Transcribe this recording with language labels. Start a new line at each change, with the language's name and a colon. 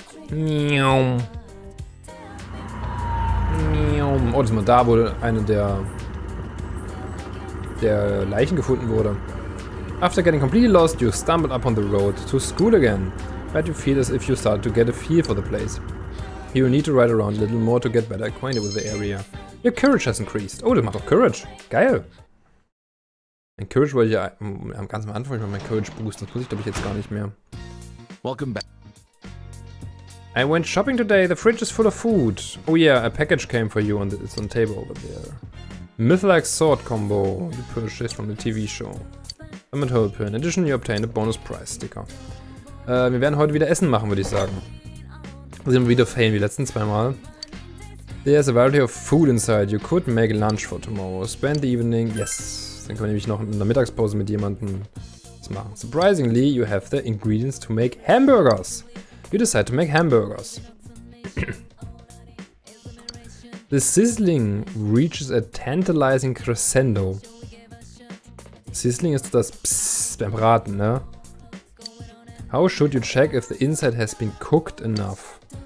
German: Miaum. Miaum. Oh, das ist mal da, wo eine der Leichen gefunden wurde.
English: After getting completely lost, you stumbled upon the road to school again. But you feel as if you start to get a feel for the place. You will need to ride around a little more to get better acquainted with the area. Your courage has increased.
German: Oh, das macht doch Courage. Geil. Mein Courage wollte ich ja am ganzen Anfang mal mein Courage boosten. Das muss ich, glaube ich, jetzt gar nicht mehr.
English: Welcome back. I went shopping today. The fridge is full of food. Oh yeah, a package came for you and it's on the table over there. Mythlike sword combo. You purchased from the TV show. Summit Hope. In addition, you obtained a bonus prize sticker.
German: Wir werden heute wieder Essen machen, würde ich sagen. Wir sind wieder failen wie letzten zwei Mal.
English: There's a variety of food inside. You could make lunch for tomorrow. Spend the evening. Yes.
German: Dann können wir nämlich noch in der Mittagspause mit jemandem das machen.
English: Surprisingly, you have the ingredients to make hamburgers. You decide to make hamburgers. The sizzling reaches a tantalizing crescendo.
German: Sizzling ist das Psst beim Braten, ne?
English: How should you check if the inside has been cooked enough?